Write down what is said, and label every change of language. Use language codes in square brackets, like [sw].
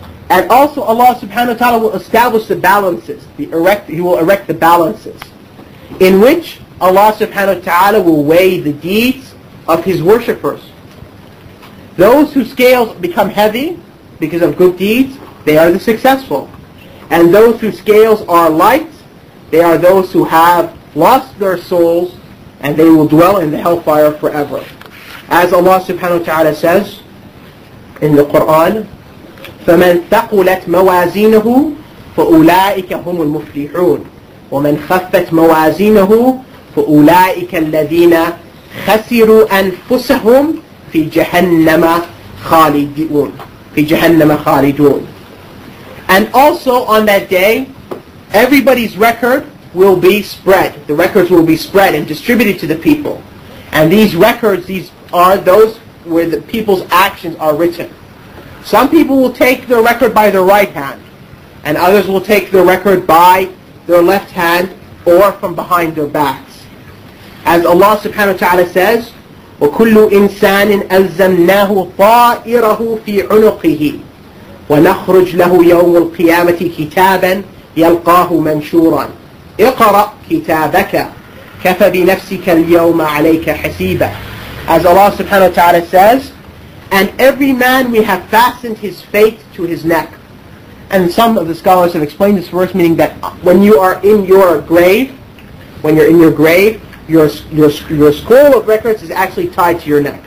[en] And also Allah subhanahu wa ta'ala will establish the balances, He will erect the balances, in which Allah subhanahu wa ta'ala will weigh the deeds of His worshippers. Those whose scales become heavy because of good deeds, they are the successful. And those whose scales are light, they are those who have lost their souls, and they will dwell in the hellfire forever. As Allah subhanahu wa ta'ala says in the Qur'an, [ar] فَمَنْ ثَقُلَتْ مَوَازِينَهُ فَأُولَٰئِكَ هُمُ الْمُفْلِحُونَ وَمَنْ خَفَّتْ مَوَازِينَهُ فَأُولَٰئِكَ الَّذِينَ خَسِرُوا أَنفُسَهُمْ فِي جَهَنَّمَ خَالِدُونَ فِي جَهَنَّمَ خَالِدُونَ. [en] And also on that day, everybody's record will be spread. The records will be spread and distributed to the people. And these records, these are those where the people's actions are written. Some people will take their record by their right hand, and others will take their record by their left hand or from behind their backs. As Allah subhanahu wa ta'ala says, [ar] وَكُلُّ إِنسَانٍ أَلْزَمْنَاهُ طَائِرَهُ فِي عُنُقِهِ وَنَخْرُجْ لَهُ يَوْمُ الْقِيَامَةِ كِتَابًا يَلْقَاهُ مَنْشُورًا اِقْرَأْ كِتَابَكَ كَفَ بِنَفْسِكَ الْيَوْمَ عَلَيْكَ حَسِيبًا. [en] As Allah subhanahu wa ta'ala says, and every man we have fastened his fate to his neck. And some of the scholars have explained this verse, meaning that when you are in your grave, your scroll of records is actually tied to your neck.